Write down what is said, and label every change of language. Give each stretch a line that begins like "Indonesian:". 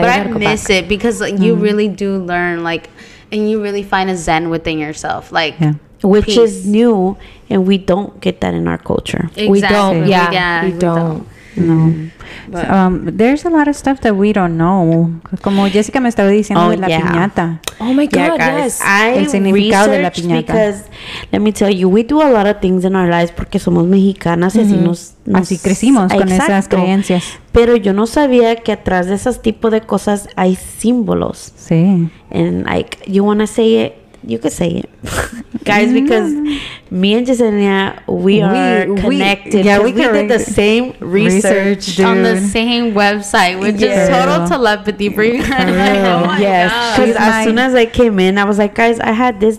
English: but I miss it because you really do learn, like, and you really find a zen within yourself. Like, Which peace. Is new, and we don't get that in our culture. Exactly. We don't. Yeah. We don't. No. There's a lot of stuff that we don't know.
Spanish: Como Jessica me estaba diciendo de la piñata.
English: Oh my God, guys, yes. I researched
Spanish: de la piñata.
English: Because, let me tell you, we do a lot of things in our lives
Spanish: porque somos mexicanas y así crecimos con esas creencias. Pero yo no sabía que atrás de esos tipos de cosas hay símbolos. Sí.
English: And like, you want to say it? You can say it. Guys, because me and Jessenia, we are connected. Yeah, we did the same research on the same website, which is total telepathy for you. Yes. Because as soon as I came in, I was like, guys, I had this.